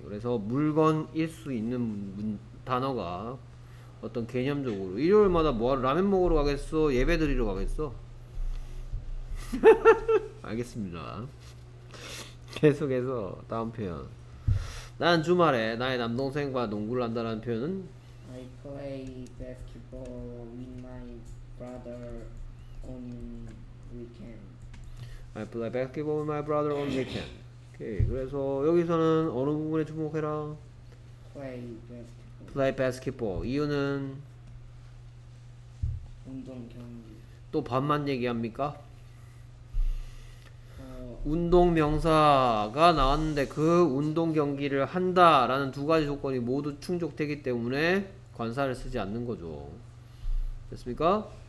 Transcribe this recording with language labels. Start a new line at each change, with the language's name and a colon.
Korean: 그래서 물건일 수 있는 단어가 어떤 개념적으로 일요일마다 뭐하러 라면 먹으러 가겠어? 예배 드리러 가겠어? 알겠습니다. 계속해서 다음 표현. 난 주말에 나의 남동생과 농구를 한다는 표현은?
English: I play basketball with my brother on weekend. I play basketball with my brother on weekend.
Korean: 오케이. 그래서 여기서는 어느 부분에 주목해라?
English: Play basketball. Play basketball.
Korean: 이유는? 운동 경기. 또 반만 얘기합니까? 운동 명사가 나왔는데 그 운동 경기를 한다라는 두 가지 조건이 모두 충족되기 때문에 관사를 쓰지 않는 거죠. 됐습니까?